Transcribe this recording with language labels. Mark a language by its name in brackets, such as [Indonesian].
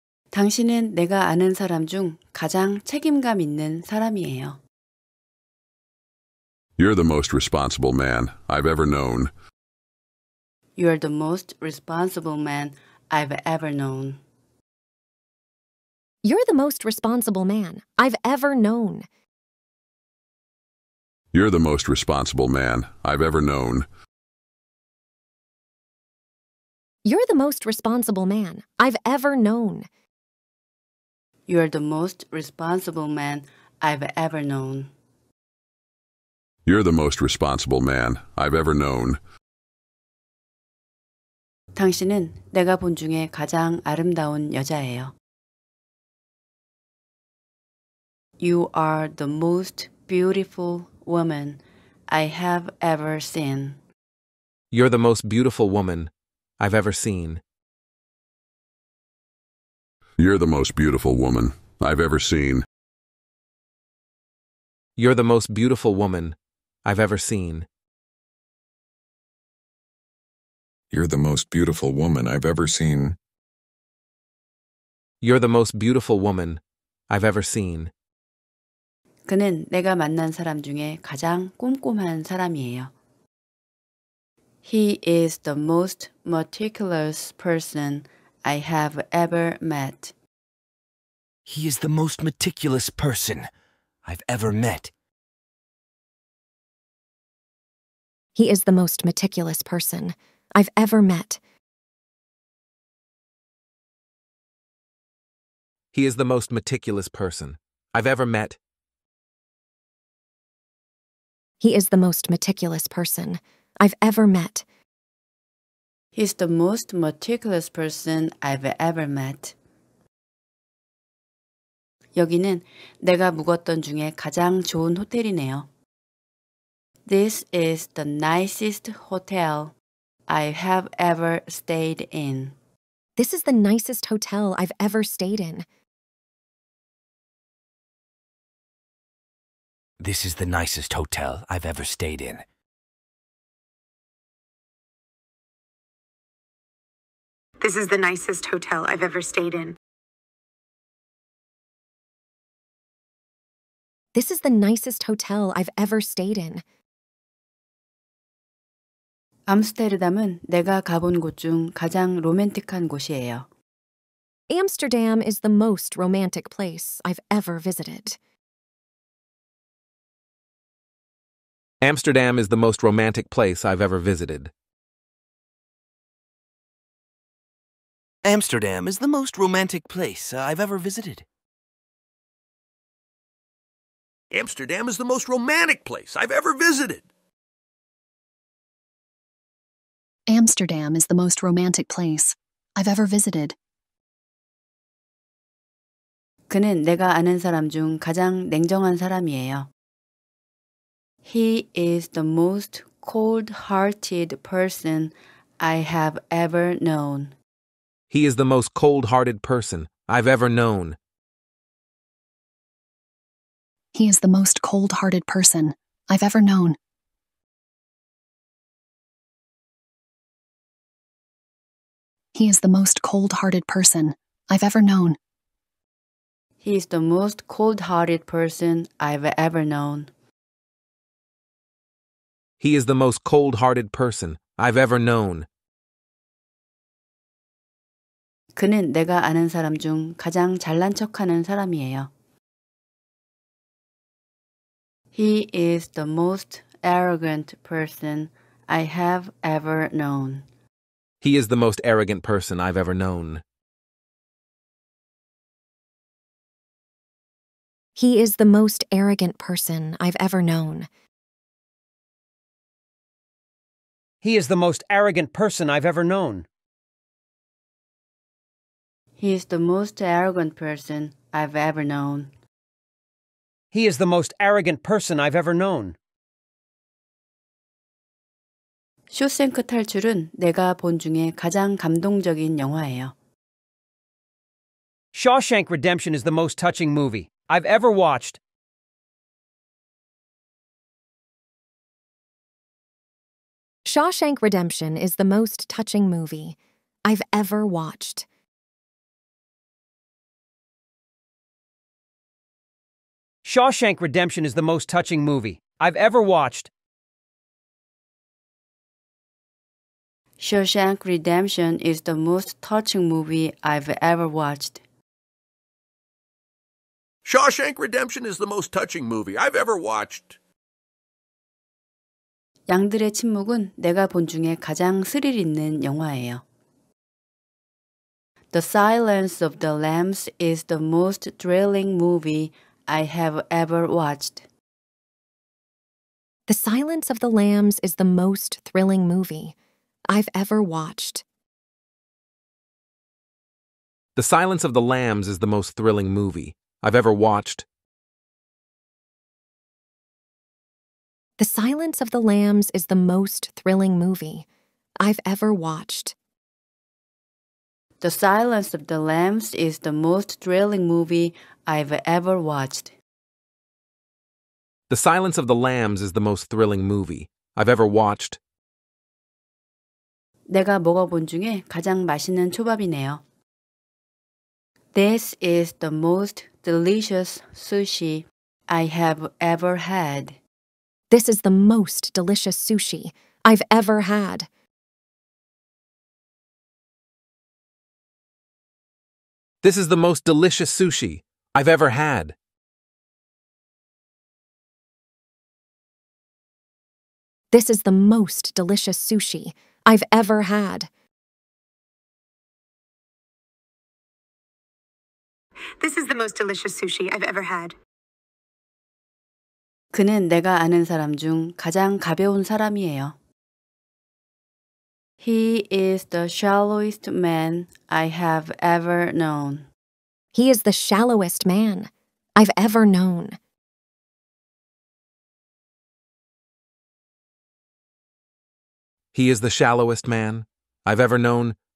[Korean] 당신은 내가 아는 사람 중 가장 책임감 있는 사람이에요. [English] You're the most responsible man I've ever known. You're the most responsible man I've ever known. You're the most responsible man I've ever known. You're the most responsible man I've ever known. You're the most responsible man I've ever known. You're the most responsible man I've ever known. You're the most responsible man I've ever known. [Korean] 당신은 내가 본 중에 가장 아름다운 여자예요. [English] You are the most beautiful woman I have ever seen. You're the most beautiful woman I've ever seen. You're the most beautiful woman I've ever seen. You're the most beautiful woman I've ever seen. You're the most beautiful woman I've ever seen. You're the most beautiful woman I've ever seen. [Korean] 그는 내가 만난 사람 중에 가장 꼼꼼한 사람이에요. [English] He is the most meticulous person I have ever met. He is the most meticulous person I've ever met. He is the most meticulous person I've ever met. He is the most meticulous person I've ever met. He is the most meticulous person I've ever met. He's the most meticulous person I've ever met. [Korean] 여기는 내가 묵었던 중에 가장 좋은 호텔이네요. [English] This is the nicest hotel I have ever stayed in. This is the nicest hotel I've ever stayed in. This is the nicest hotel I've ever stayed in. This is the nicest hotel I've ever stayed in. This is the nicest hotel I've ever stayed in. [Korean] 암스테르담은 내가 가본 곳 중 가장 로맨틱한 곳이에요. [English] Amsterdam is the most romantic place I've ever visited. Amsterdam is the most romantic place I've ever visited. Amsterdam is the most romantic place I've ever visited. Amsterdam is the most romantic place I've ever visited. Amsterdam is the most romantic place I've ever visited. [Korean] 그는 내가 아는 사람 중 가장 냉정한 사람이에요. [English] He is the most cold-hearted person I have ever known. He is the most cold-hearted person I've ever known. He is the most cold-hearted person I've ever known. He is the most cold-hearted person I've ever known. He is the most cold-hearted person I've ever known. He is the most cold-hearted person I've ever known. [Korean] 그는 내가 아는 사람 중 가장 잘난 척하는 사람이에요. [English] He is the most arrogant person I have ever known. He is the most arrogant person I've ever known. He is the most arrogant person I've ever known. He is the most arrogant person I've ever known. He is the most arrogant person I've ever known. He is the most arrogant person I've ever known. [Korean] 쇼생크 탈출은 내가 본 중에 가장 감동적인 영화예요. [English] Shawshank Redemption is the most touching movie I've ever watched. Shawshank Redemption is the most touching movie I've ever watched. Shawshank Redemption is the most touching movie I've ever watched. Shawshank Redemption is the most touching movie I've ever watched. Shawshank Redemption is the most touching movie I've ever watched. [Korean] 양들의 침묵은 내가 본 중에 가장 스릴 있는 영화예요. [English] The Silence of the Lambs is the most thrilling movie I have ever watched. The Silence of the Lambs is the most thrilling movie I've ever watched. The Silence of the Lambs is the most thrilling movie I've ever watched. The Silence of the Lambs is the most thrilling movie I've ever watched. The Silence of the Lambs is the most thrilling movie I've ever watched. The Silence of the Lambs is the most thrilling movie I've ever watched. [Korean] 내가 먹어본 중에 가장 맛있는 초밥이네요. [English] This is the most delicious sushi I have ever had. This is the most delicious sushi I've ever had. This is the most delicious sushi I've ever had. This is the most delicious sushi I've ever had. This is the most delicious sushi I've ever had. [Korean] 그는 내가 아는 사람 중 가장 가벼운 사람이에요. [English] He is the shallowest man I have ever known. He is the shallowest man I've ever known. He is the shallowest man I've ever known.